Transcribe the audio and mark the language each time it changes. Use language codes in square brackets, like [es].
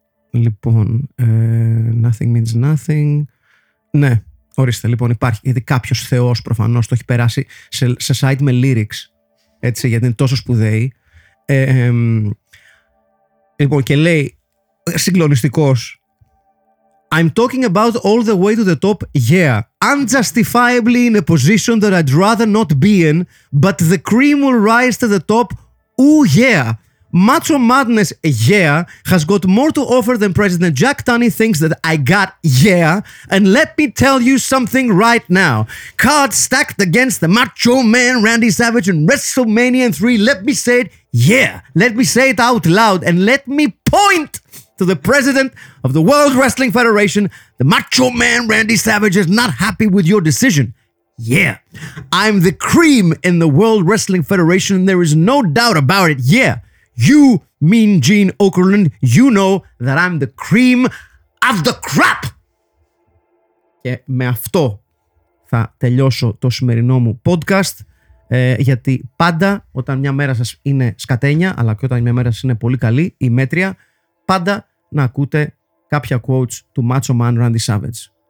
[el] Λοιπόν, [en] nothing means nothing. [el] Ναι, ορίστε, λοιπόν, υπάρχει. Γιατί κάποιος θεός προφανώς το έχει περάσει σε site με lyrics. Έτσι, γιατί είναι τόσο σπουδαίοι. Λοιπόν, και λέει, συγκλονιστικός. [en] I'm talking about all the way to the top, yeah. Unjustifiably in a position that I'd rather not be in, but the cream will rise to the top, ooh yeah. Macho madness, yeah, has got more to offer than President Jack Tunney thinks that I got, yeah. And let me tell you something right now. Cards stacked against the macho man Randy Savage in WrestleMania 3, let me say it, yeah. Let me say it out loud and let me point to the president of the World Wrestling Federation, the macho man Randy Savage is not happy with your decision. Yeah. I'm the cream in the World Wrestling Federation and there is no doubt about it. Yeah. You, Mean Gene Okerlund, you know that I'm the cream of the crop. [el] Και με αυτό θα τελειώσω το σημερινό μου podcast. Γιατί πάντα όταν μια μέρα σας είναι σκατένια, αλλά και όταν μια μέρα σας είναι πολύ καλή, η μέτρια, πάντα να ακούτε κάποια quotes του Macho Man Randy Savage.